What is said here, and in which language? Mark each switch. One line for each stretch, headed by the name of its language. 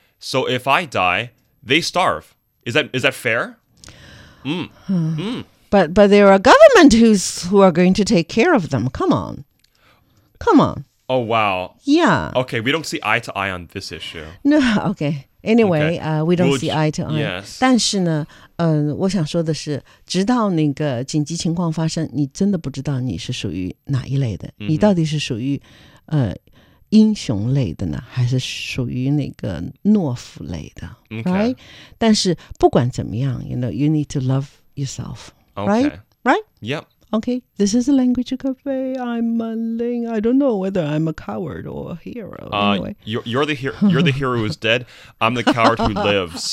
English: So if I die, they starve. Is that fair? But there are government who are going to take care of them. Come on. Oh, wow. Yeah. Okay, we don't see eye to eye on this issue. No, okay. Anyway, we don't see eye to eye. Yes.
Chinese: 但是呢,我想说的是, 直到那个紧急情况发生, 你真的不知道你是属于哪一类的, mm-hmm. 你到底是属于英雄类的呢, 还是属于那个懦夫类的,
English: okay. right?
Chinese: 但是不管怎么样,
English: you know, you need to love yourself, right? Okay. Right? Yep. Okay, this is a language cafe. I'm Manling. I don't know whether I'm a coward or a hero. Anyway. You're the hero who's dead. I'm the coward who lives.